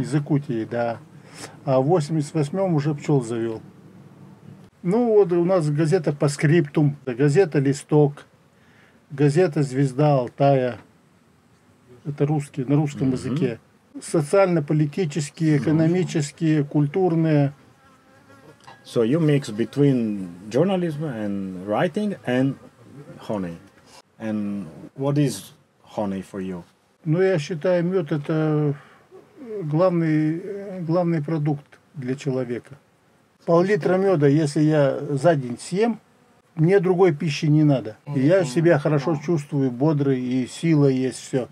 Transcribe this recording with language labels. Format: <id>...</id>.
<ru>из Якутии, да. А в 88-м уже пчел завел. Ну вот у нас газета по скриптум, газета «Листок», газета «Звезда Алтая». Это русские, на русском языке. Социально-политические, экономические, культурные.</ru> <en>So you mix between journalism and writing and honey. And what is honey for you?</en> <ru>Ну, я считаю, мед – это главный продукт для человека. Пол-литра меда, если я за день съем, мне другой пищи не надо. Я себя хорошо чувствую, бодрый, и сила есть, все.</ru>